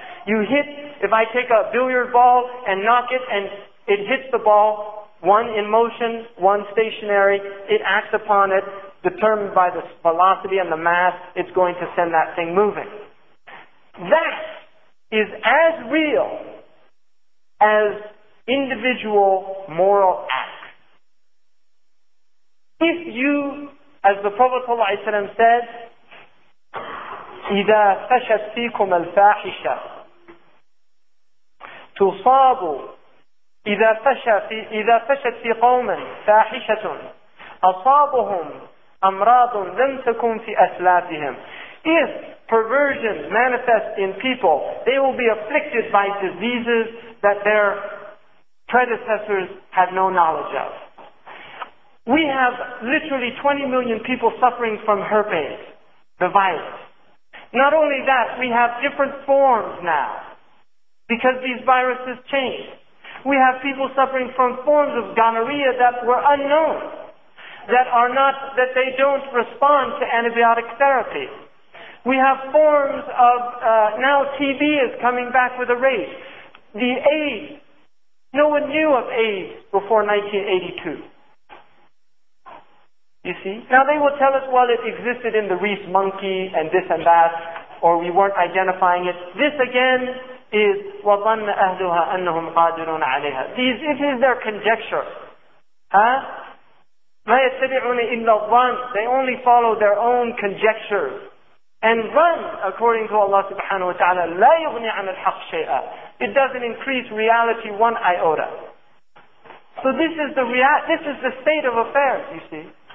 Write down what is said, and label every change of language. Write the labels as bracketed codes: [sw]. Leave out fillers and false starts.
[en] You hit, if I take a billiard ball and knock it and it hits the ball, one in motion, one stationary, it acts upon it, determined by the velocity and the mass, it's going to send that thing moving. That is as real as individual moral acts. If you, as the Prophet ﷺ said, [ar] إِذَا فَشَتْ فِيكُمَ الْفَاحِشَةَ تُصَابُ إِذَا فَشَتْ فِي قَوْمٍ فَاحِشَةٌ أَصَابُهُمْ أمراض لم تكن في أسلافهم. [en] If perversion manifests in people, they will be afflicted by diseases that their predecessors had no knowledge of. We have literally 20 million people suffering from herpes, the virus. Not only that, we have different forms now because these viruses change. We have people suffering from forms of gonorrhea that were unknown, that they don't respond to antibiotic therapy. We have forms of, now TB is coming back with a rage. The AIDS, no one knew of AIDS before 1982. You see? Now they will tell us, well, it existed in the Reese monkey and this and that, or we weren't identifying it. This again is, [ar] وَظَنَّ أَهْلُهَا أَنَّهُمْ قَادِرُونَ عَلَيْهَا. [en] This is their conjecture. [ar] Huh? مَا يَتَّبِعُونَ إِلَّا الظَّنَّ. [en] They only follow their own conjectures. And run, according to Allah subhanahu wa ta'ala, [ar] لا يغني عن الحق شيئا. [en] It doesn't increase reality one iota. So this is the state of affairs, you see.